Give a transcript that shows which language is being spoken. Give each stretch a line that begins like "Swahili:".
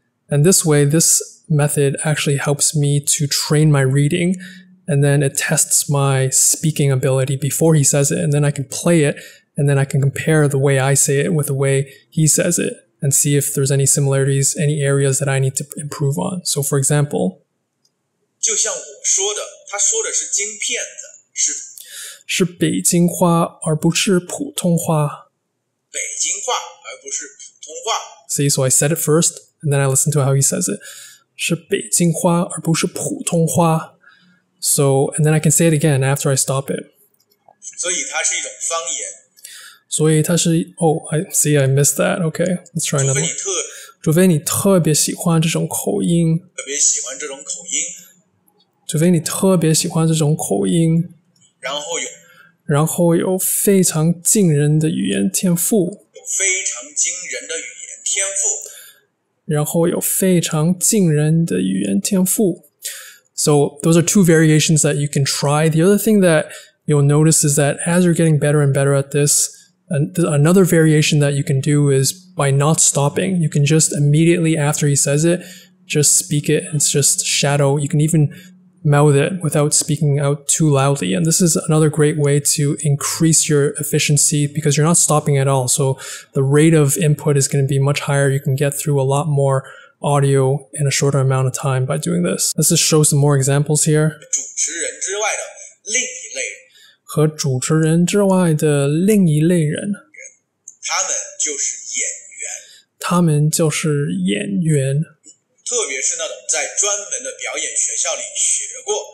English: And this way, this method actually helps me to train my reading. And then it tests my speaking ability before he says it, and then I can play it, and then I can compare the way I say it with the way he says it, and see if there's any similarities, any areas that I need to improve on. So for example,
Chinese: 就像我说的，他说的是金片子，是北京话而不是普通话。北京话而不是普通话。
English: See, so I said it first, and then I listened to how he says it.
Chinese: 是北京话而不是普通话。
English: So, and then I can say it again after I stop it.
Chinese: 所以它是一种方言。所以它是
English: Oh, I see, I missed that. Okay, let's try another one.
Chinese: 除非你特别喜欢这种口音。特别喜欢这种口音。除非你特别喜欢这种口音。然后有非常惊人的语言天赋。有非常惊人的语言天赋。然后有非常惊人的语言天赋。
English: So those are two variations that you can try. The other thing that you'll notice is that as you're getting better and better at this, another variation that you can do is by not stopping. You can just immediately after he says it, just speak it. It's just shadow. You can even mouth it without speaking out too loudly. And this is another great way to increase your efficiency because you're not stopping at all. So the rate of input is going to be much higher. You can get through a lot more. Audio in a shorter amount of time by doing this. Let's just show some more examples here.
Chinese: 主持人之外的另一类人和主持人之外的另一类人他们就是演员他们就是演员特别是那种在专门的表演学校里学过